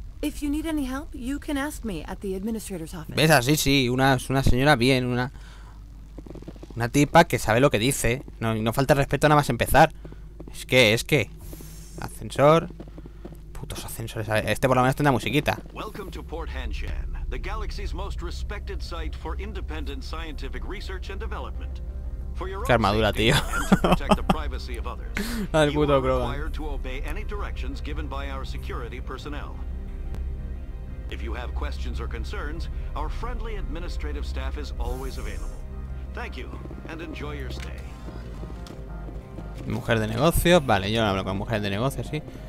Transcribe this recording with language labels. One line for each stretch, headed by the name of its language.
English: If you need any help, you can ask me at the administrator's office.
Spanish: ¿Ves? Así, sí, una señora bien, una tipa que sabe lo que dice. No, no falta respeto nada más empezar. Es que ascensor. Putos ascensores. Este por lo menos tendrá musiquita.
English: Welcome to Port Hanshan, the galaxy's most respected site for independent scientific research and development. For your
Spanish: armadura, tío.
English: And to protect the privacy of others.
Spanish: Al puto Croga.
English: You are required to obey any directions given by our security personnel. If you have questions or concerns, our friendly administrative staff is always available. Thank you and enjoy your stay.
Spanish: Mujer de negocios, vale, yo no hablo con mujer de negocios, sí.